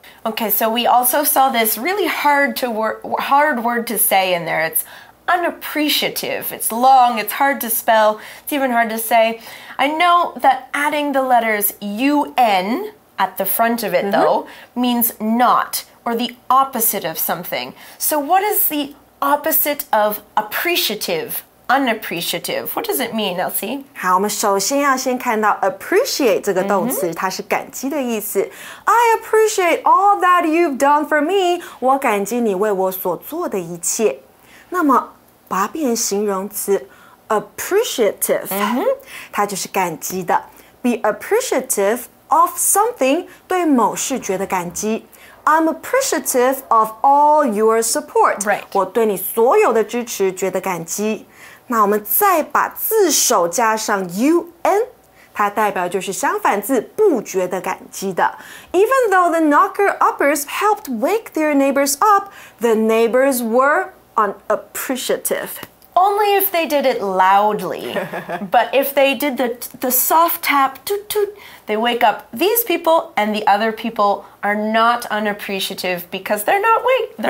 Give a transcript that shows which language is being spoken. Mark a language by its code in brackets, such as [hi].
[en] Okay, so we also saw this really hard word to say in there It's unappreciative It's long, it's hard to spell It's even hard to say I know that adding the letters UN at the front of it, though, means not, or the opposite of something. So what is the opposite of appreciative, unappreciative? What does it mean, Elsie? [zh] 好，我们首先要先看到 appreciate 这个动词它是感激的意思。 [en] I appreciate all that you've done for me. [zh] 我感激你为我所做的一切。那么把变形容词 appreciative, 它就是感激的。 [en] Be appreciative,Of something [zh] 对某事觉得感激 [en] I'm appreciative of all your support. Right. [zh] 我对你所有的支持觉得感激。那我们再把自首加上 UN, 它代表就是相反字不觉得感激的。 [en] Even though the knocker-uppers helped wake their neighbors up, the neighbors were unappreciative. Only if they did it loudly. But if they did the soft tap, toot toot, they wake up these people and the other people are not unappreciative because they're not awake.